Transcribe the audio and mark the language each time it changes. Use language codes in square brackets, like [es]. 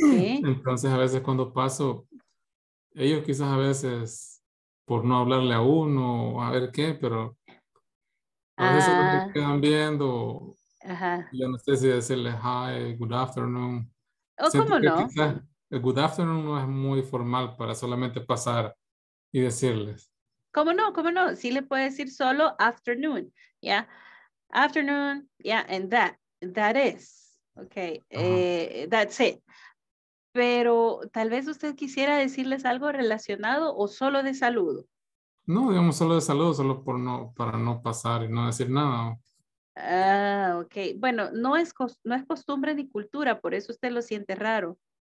[es] Entonces, a veces cuando paso, ellos quizás a veces, por no hablarle a uno, a ver qué, pero a veces los que quedan viendo, yo no sé si decirle [en] hi, good afternoon. [es] ¿Cómo no? Quizás el [en] good afternoon [es] no es muy formal para solamente pasar y decirles. ¿Cómo no? Sí le puede decir solo afternoon, yeah. [en] Afternoon, yeah, and that is, okay, that's it. [es] Pero tal vez usted quisiera decirles algo relacionado o solo de saludo. No, digamos solo de saludo, solo para no pasar y no decir nada. Ah, ok. Bueno, no es costumbre ni cultura, por eso usted lo siente raro.